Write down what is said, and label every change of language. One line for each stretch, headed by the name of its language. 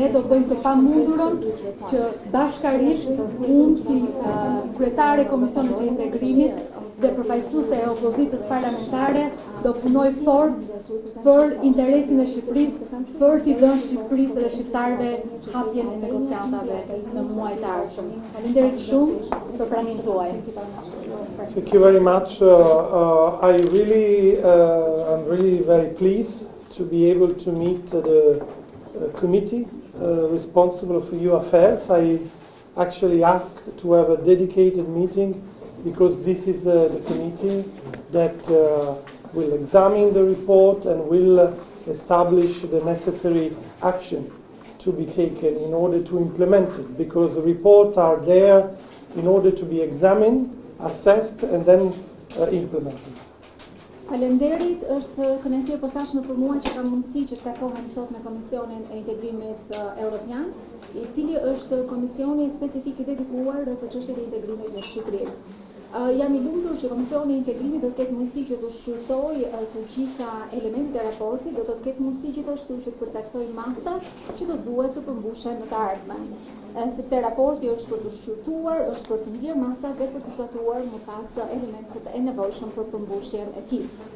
Albanian: Ne do bëjmë të pamundurën që bashkarisht unë si kryetare Komisionit të Integrimit dhe përfaqësuese e opozitës parlamentare do punoj fort për interesin e Shqipërisë, për t'i dhënë Shqipërisë dhe shqiptarëve hapjen e negociatave në muajt e ardhshëm. Faleminderit shumë për pranimin tuaj.
English: Thank you very much. I'm really very pleased to be able to meet the committee responsible for EU affairs. I actually asked to have a dedicated meeting because this is the committee that will examine the report and will establish the necessary action to be taken in order to implement it, because the reports are there in order to be examined, assessed and then implemented.
Albanian: Faleminderit, është kënaqësi e posaçme për mua që kam mundësi që të takohem sot me Komisionin e Integrimit Evropian, i cili është komisioni specifik i dedikuar për çështjet e integrimit në Shqipëri. Jam i lumtur që Komisioni i Integrimit do të ketë mundësi që të shqyrtojë të gjitha elementet e raportit, do të ketë mundësi gjithashtu që të përcaktojë masat që do duhet të përmbushen në të ardhmen, sepse raporti është për të shqyrtuar, është për të nxjerrë masat dhe për të zbatuar më pas elementet e nevojshëm për përmbushjen e tij.